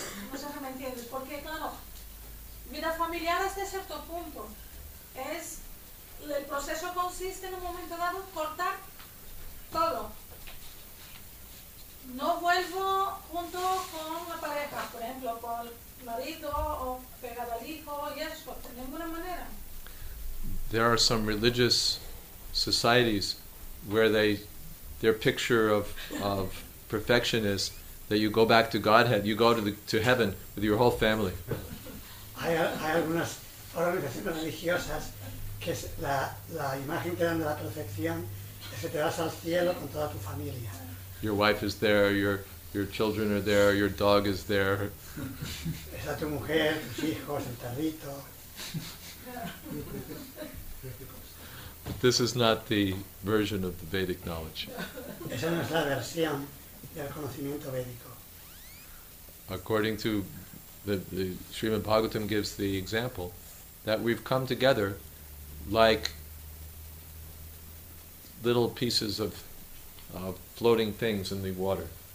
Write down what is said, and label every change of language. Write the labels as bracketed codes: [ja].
[es] No sé si me entiendes, porque claro, vida familiar hasta cierto punto es, el proceso consiste en un momento dado cortar todo. No vuelvo junto con la pareja, por ejemplo, con el marido o pegado al hijo y eso, de ninguna manera. [en] There are some religious societies where their picture of perfection is that you go back to Godhead, you go to heaven with your whole family. [es] Hay algunas organizaciones religiosas que la imagen que dan de la perfección es que te vas al cielo con toda tu familia. [en] Your wife is there, your children are there, your dog is there. [es] Está tu mujer, tus hijos, el perrito. [en] But this is not the version of the Vedic knowledge. [es] Esa no es la versión del conocimiento védico. [en] According to the Srimad Bhagavatam gives the example that we've come together like little pieces of floating things in the water.